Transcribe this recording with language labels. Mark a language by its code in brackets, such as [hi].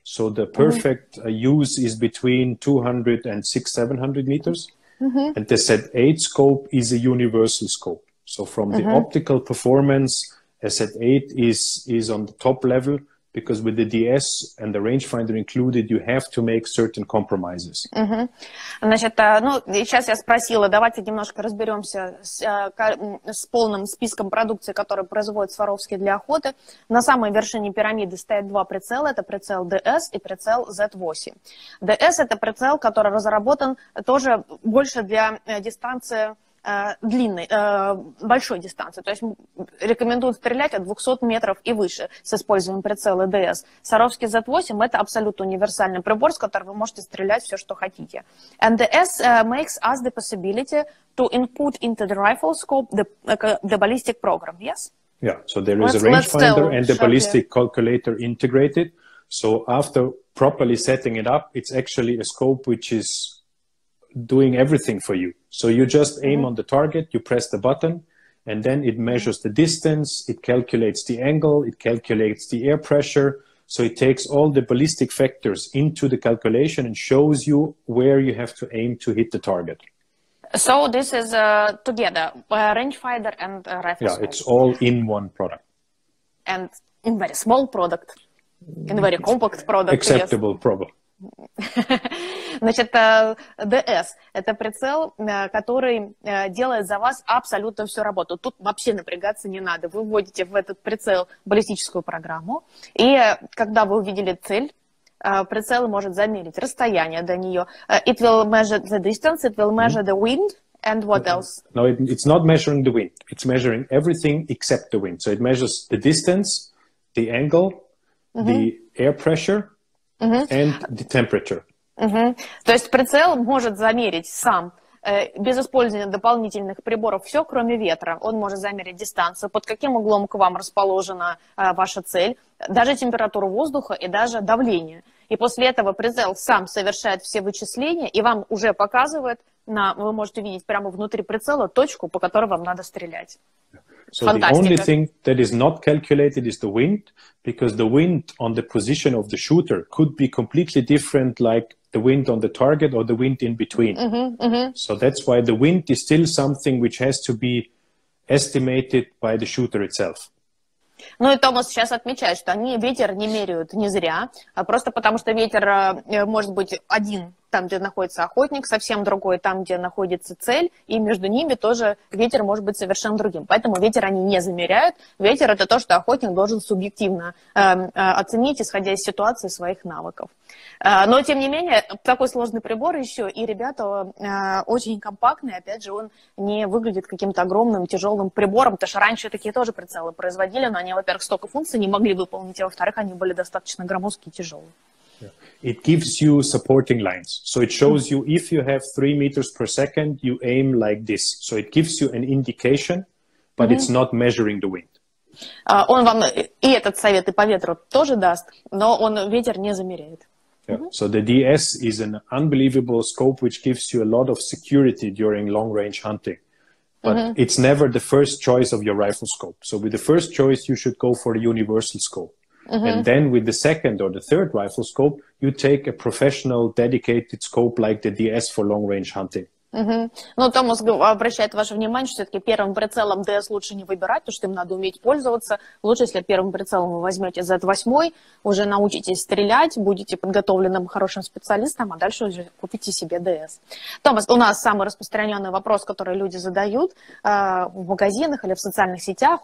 [en] So the perfect use is between 200 and 600-700 meters. Mm-hmm. And the Z8 scope is a universal scope. So from the optical performance, a Z8 is on the top level, because with the DS and the rangefinder included, you have to make certain compromises. Mm-hmm. [ru] Значит, ну, сейчас я спросила, давайте немножко разберемся с полным списком продукции, которую производит Swarovski для охоты. На самой вершине пирамиды стоят два прицела. Это прицел DS и прицел Z8. DS – это прицел, который разработан тоже больше для дистанции длинной, большой дистанции. То есть рекомендуют стрелять от 200 метров и выше с использованием прицела ДС. Swarovski Z8 – это абсолютно универсальный прибор, с которым вы можете стрелять все, что хотите. [en] And the S makes us the possibility to input into the rifle scope the ballistic program, yes? Yeah, so there is a rangefinder and the ballistic calculator integrated. So after properly setting it up, it's actually a scope which is doing everything for you. So you just aim on the target, you press the button, and then it measures the distance, it calculates the angle, it calculates the air pressure. So it takes all the ballistic factors into the calculation and shows you where you have to aim to hit the target. So this is together, rangefinder and rifle. Yeah, it's all in one product. And in very small product, in very compact product. Acceptable, probably. [ru] Значит, DS – это прицел, который делает за вас абсолютно всю работу. Тут вообще напрягаться не надо. Вы вводите в этот прицел баллистическую программу, и когда вы увидели цель, прицел может замерить расстояние до нее. [en] It will measure the distance, it will measure the wind, and what else? No, it's not measuring the wind. It's measuring everything except the wind. So it measures the distance, the angle, the air pressure, and the temperature. [ru] То есть прицел может замерить сам, без использования дополнительных приборов, все, кроме ветра. Он может замерить дистанцию, под каким углом к вам расположена ваша цель, даже температуру воздуха и даже давление. И после этого прицел сам совершает все вычисления и вам уже показывает, вы можете видеть прямо внутри прицела точку, по которой вам надо стрелять. [en] So the only thing that is not calculated is the wind, because the wind on the position of the shooter could be completely different, like the wind on the target or the wind in between. So that's why the wind is still something which has to be estimated by the shooter itself. [ru] Ну и Томас сейчас отмечает, что они ветер не меряют не зря, а просто потому что ветер может быть один там, где находится охотник, совсем другой там, где находится цель, и между ними тоже ветер может быть совершенно другим. Поэтому ветер они не замеряют. Ветер – это то, что охотник должен субъективно оценить, исходя из ситуации своих навыков. Но, тем не менее, такой сложный прибор еще, и, ребята, очень компактный, опять же, он не выглядит каким-то огромным, тяжелым прибором, потому что раньше такие тоже прицелы производили, но они, во-первых, столько функций не могли выполнить, а во-вторых, они были достаточно громоздкие и тяжелые. [en] It gives you supporting lines. So it shows you if you have 3 meters per second, you aim like this. So it gives you an indication, but it's not measuring the wind. [ru] Он вам и этот совет, и по ветру тоже даст, но он ветер не замеряет. [en] So the DS is an unbelievable scope, which gives you a lot of security during long-range hunting. But it's never the first choice of your rifle scope. So with the first choice, you should go for a universal scope. And then with the second or the third rifle scope, you take a professional dedicated scope like the DS for long-range hunting. [ru] Ну, Томас обращает ваше внимание, что все-таки первым прицелом DS лучше не выбирать, потому что им надо уметь пользоваться. Лучше, если первым прицелом вы возьмете Z8, уже научитесь стрелять, будете подготовленным хорошим специалистом, а дальше уже купите себе DS. Томас, у нас самый распространенный вопрос, который люди задают в магазинах или в социальных сетях.